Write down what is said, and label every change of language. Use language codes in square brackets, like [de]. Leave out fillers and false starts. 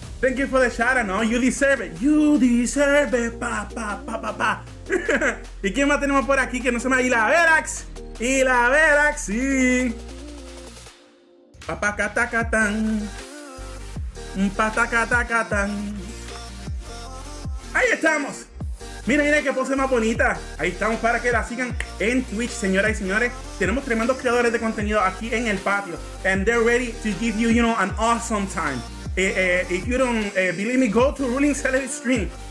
[en] Thank you for the shout out. No, you deserve it. You deserve it. Pa, pa, pa, pa, pa. [es] ¿Y quién más tenemos por aquí que no se me ha ido? La Verax. Y la Verax. Sí. Papá, catacatán. Patacatacatán. Ahí estamos. Mira qué pose más bonita. Ahí estamos para que la sigan en Twitch, señoras y señores. Tenemos tremendos creadores de contenido aquí en el patio. [en] And they're ready to give you, you know, an awesome time. If you don't believe me, go to Ruling Celery stream.